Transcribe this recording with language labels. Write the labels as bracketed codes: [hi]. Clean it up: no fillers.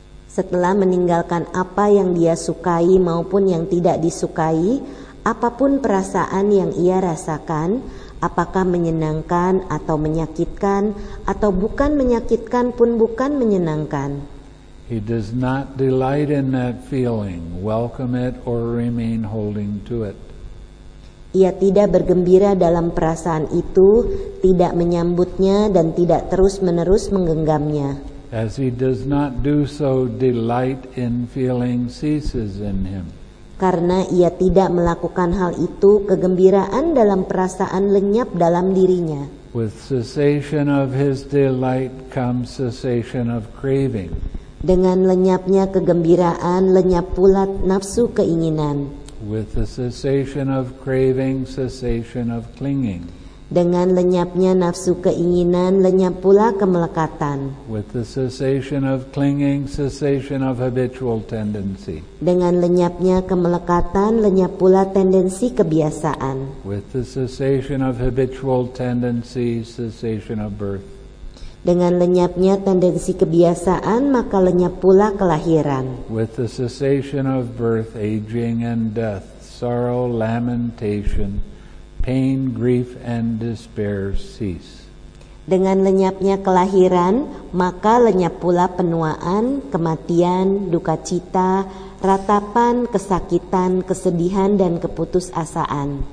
[id] Setelah meninggalkan apa yang dia sukai maupun yang tidak disukai, apapun perasaan yang ia rasakan, apakah menyenangkan atau menyakitkan, atau bukan menyakitkan pun bukan menyenangkan. [en] He does not delight in that feeling, welcome it or remain holding to it. [id] Ia tidak bergembira dalam perasaan itu, tidak menyambutnya dan tidak terus-menerus menggenggamnya. [en] As he does not do so, delight in feeling ceases in him. [id] Karena ia tidak melakukan hal itu, kegembiraan dalam perasaan lenyap dalam dirinya. [en] With cessation of his delight comes cessation of craving. [id] Dengan lenyapnya kegembiraan, lenyap pula nafsu keinginan. [en] With the cessation of craving, cessation of clinging. [id] Dengan lenyapnya nafsu keinginan, lenyap pula kemelekatan. [en] With the cessation of clinging, cessation of habitual tendency. [id] Dengan lenyapnya kemelekatan, lenyap pula tendensi kebiasaan. [en] With the cessation of habitual tendency, cessation of birth. [id] Dengan lenyapnya tendensi kebiasaan, maka lenyap pula kelahiran. [en] With the cessation of birth, aging and death, sorrow, lamentation, pain, grief, and despair cease. [id] Dengan lenyapnya kelahiran, maka lenyap pula penuaan, kematian, duka cita, ratapan, kesakitan, kesedihan, dan keputusasaan.